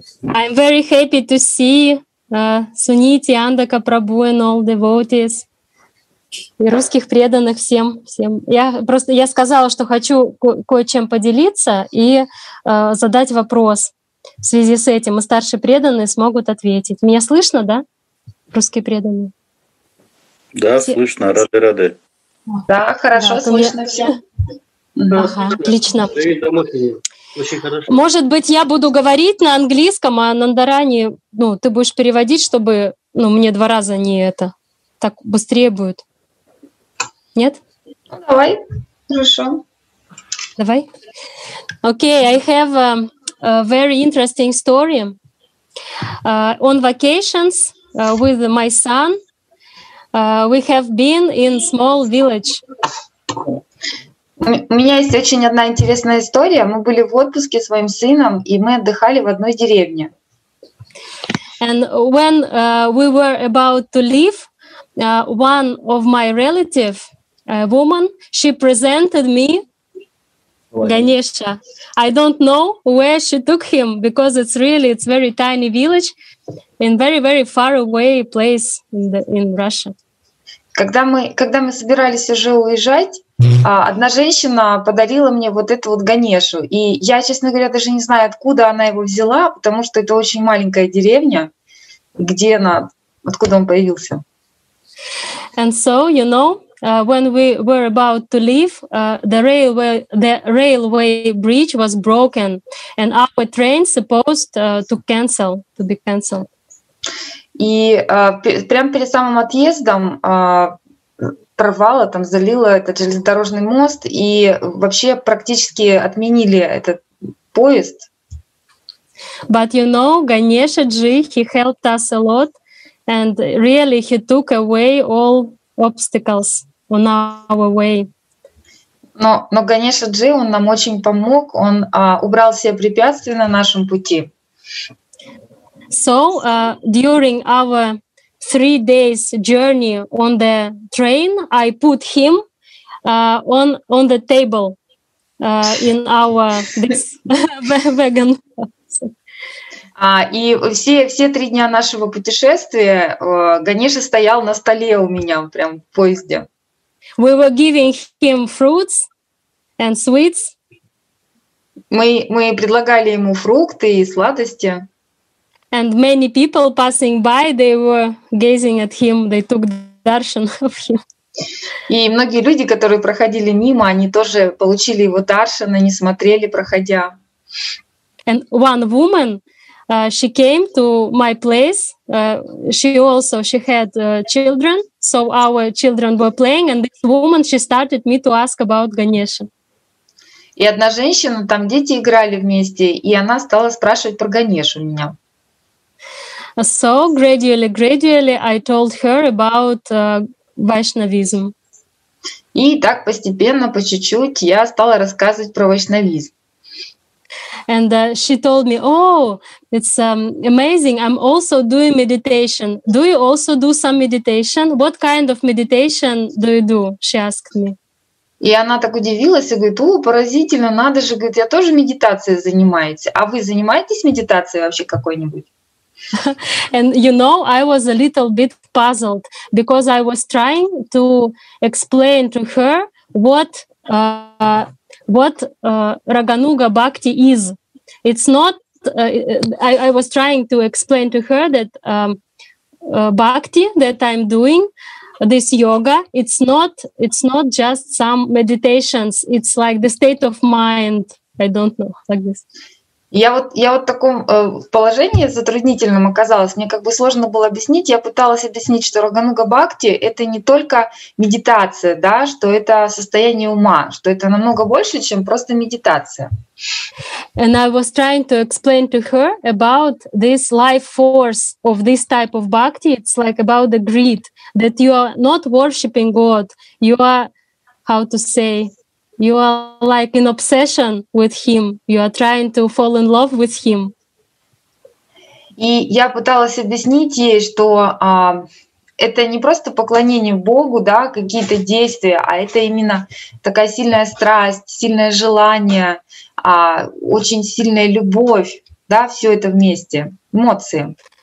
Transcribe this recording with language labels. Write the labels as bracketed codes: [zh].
[en] I'm very happy to see Suniti, Andaka Prabhu and all devotees. [ru] И русских преданных всем. Я сказала, что хочу кое-чем поделиться и задать вопрос. В связи с этим и старшие преданные смогут ответить. Меня слышно, да, русские преданные? Да, слышно, рады. Да, хорошо, да, слышно все. Ага, отлично. Очень хорошо. Может быть, я буду говорить на английском, а Нандарани, ну, ты будешь переводить, чтобы, ну, мне два раза не это, так быстрее будет. Нет? Ну, давай, хорошо. Давай. Окей, [en] okay, I have... A very interesting story. On vacations with my son, we have been in small village. [ru] У меня есть очень одна интересная история. Мы были в отпуске с моим сыном, и мы отдыхали в одной деревне. [en] And when we were about to leave, one of my relative, a woman, she presented me Ganesha. I don't know where she took him because it's very tiny village in very, very far away place in Russia. [ru] Когда мы собирались уже уезжать, одна женщина подарила мне вот эту вот Ганешу. И я, честно говоря, даже не знаю, откуда она его взяла, потому что это очень маленькая деревня, где она, откуда он появился. [en] And so, you know, when we were about to leave, the railway bridge was broken, and our train supposed to be canceled. [ru] И прямо перед самым отъездом прорвало, там залило этот железнодорожный мост, и вообще практически отменили этот поезд. [en] But you know, Ganesha Ji, he helped us a lot, and really he took away all obstacles. On our way. [ru] Но Ганеша Джи, он нам очень помог, он убрал все препятствия на нашем пути. [en] So, during our 3 days journey on the train, I put him on the table in our this wagon. [ru] И все 3 дня нашего путешествия Ганеша стоял на столе у меня, прям в поезде. [en] We were giving him fruits and sweets. [ru] Мы предлагали ему фрукты и сладости. [en] And many people passing by, they were gazing at him, they took darshan of him. [ru] И многие люди, которые проходили мимо, они тоже получили его даршан, они смотрели, проходя. [en] And one woman, she came to my place. She had children, so our children were playing, and this woman, she started me to ask about Ganesha. [ru] И одна женщина, там дети играли вместе, и она стала спрашивать про Ганешу меня. [en] So gradually I told her about Vaishnavism. [ru] И так постепенно, по чуть-чуть, я стала рассказывать про вайшнавизм. [en] And she told me, oh, it's amazing, I'm also doing meditation. Do you also do some meditation? What kind of meditation do you do? She asked me. [ru] И она так удивилась и говорит, о, поразительно, надо же, говорит, я тоже медитацией занимаюсь. А вы занимаетесь медитацией вообще какой-нибудь? [en] And you know, I was a little bit puzzled because I was trying to explain to her what Raganuga Bhakti is. It's not. I was trying to explain to her that Bhakti that I'm doing this yoga. It's not just some meditations. It's like the state of mind. I don't know like this. [ru] Я вот в таком положении затруднительном оказалась, мне как бы сложно было объяснить. Я пыталась объяснить, что Рагануга Бхакти — это не только медитация, да, что это состояние ума, что это намного больше, чем просто медитация. [en] And I was trying to explain to her about this life force of this type of bhakti. It's like about the greed, that you are not worshipping God, you are, how to say, you are like in obsession with him. You are trying to fall in love with him. [ru] И я пыталась объяснить ей, что это не просто поклонение Богу, да, какие-то действия, а это именно такая сильная страсть, сильное желание, очень сильная любовь, да, все это вместе, эмоции.